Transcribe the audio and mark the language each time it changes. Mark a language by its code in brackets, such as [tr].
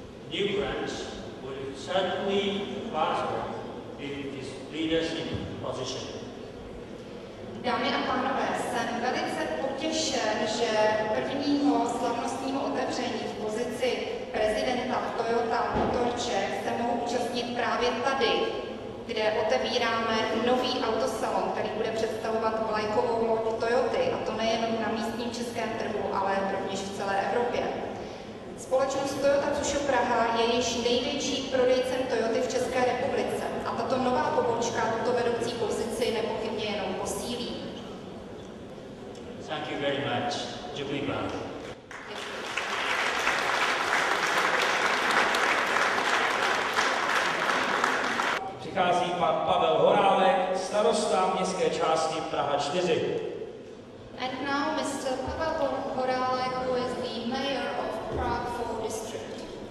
[en] New branch will certainly prosper in this leadership position. [cs] Dámy a pánové, jsem velice potěšen, že prvního slavnostního otevření v pozici prezidenta Toyota Motor Czech se mohu účastnit právě tady, kde otevíráme nový autosalon, který bude představovat vlajkovou loď Toyoty, a to nejenom na místním českém trhu, ale rovněž v celé Evropě. Společnost Toyota Tsusho Praha je již největší prodejcem Toyoty v České republice a tato nová pobočka tuto vedoucí pozici nepochybně jenom posílí. [en] Thank you very much. [cs] Děkuji vám. Přichází pan Pavel Horálek, starosta městské části Praha 4. [en] And now Mr. Pavel Horálek, who is the mayor of Prague 4 district.